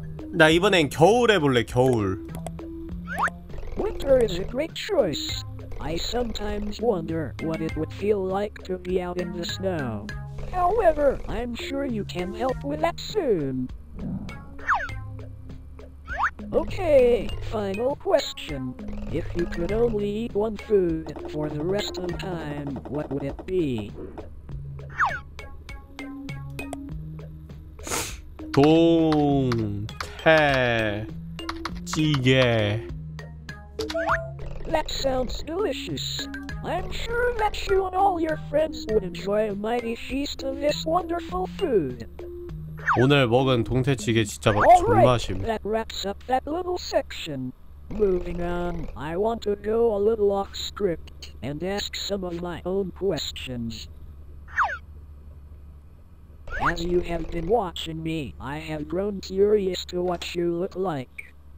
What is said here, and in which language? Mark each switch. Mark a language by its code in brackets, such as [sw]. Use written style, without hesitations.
[ko] 나 이번엔 겨울 해볼래, 겨울. [en] Winter is a great choice. I sometimes wonder what it would feel like to be out in the snow. However, I'm sure you can help with that soon. Okay, final question. If you could only eat one food for the rest of time, what would it be? [ko] 동 해 찌개. [en] That sounds delicious. I'm sure that you and all your friends would enjoy a mighty feast of this wonderful food. [ko] 오늘 먹은 동태찌개 진짜 막 존맛임. [en] That wraps up that little section. Moving on, I want to go a little off script and ask some of my own questions. As you have been watching me, I have grown curious to what you look like.